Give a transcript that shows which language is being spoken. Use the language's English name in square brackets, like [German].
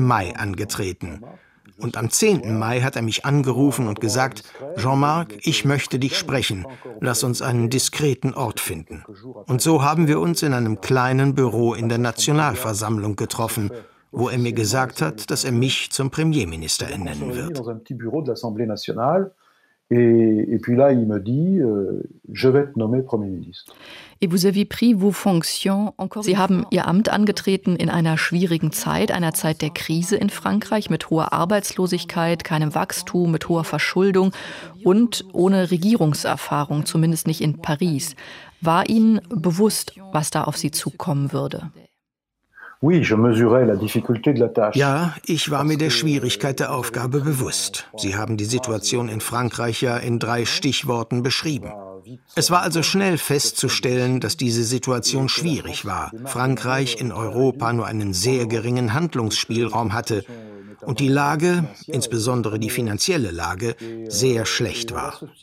[German] Mai angetreten. Und am 10. Mai hat er mich angerufen und gesagt, Jean-Marc, ich möchte dich sprechen, lass uns einen diskreten Ort finden. Und so haben wir uns in einem kleinen Büro in der Nationalversammlung getroffen, wo er mir gesagt hat, dass er mich zum Premierminister ernennen wird. In einem kleinen Büro der Assemblée Nationale. [French] Et puis là, il me dit, je vais te nommer Premier ministre. Et vous avez pris vos fonctions encore. [German] Sie haben Ihr Amt angetreten in einer schwierigen Zeit, einer Zeit der Krise in Frankreich mit hoher Arbeitslosigkeit, keinem Wachstum, mit hoher Verschuldung und ohne Regierungserfahrung, zumindest nicht in Paris. War Ihnen bewusst, was da auf Sie zukommen würde? [French] Oui, je mesurais la difficulté de la tâche. [German] Ja, ich war mir der Schwierigkeit der Aufgabe bewusst. Sie haben die Situation in Frankreich ja in 3 Stichworten beschrieben. Es war also schnell festzustellen, dass diese Situation schwierig war. Frankreich in Europa nur einen sehr geringen Handlungsspielraum hatte und die Lage, insbesondere die finanzielle Lage, sehr schlecht war.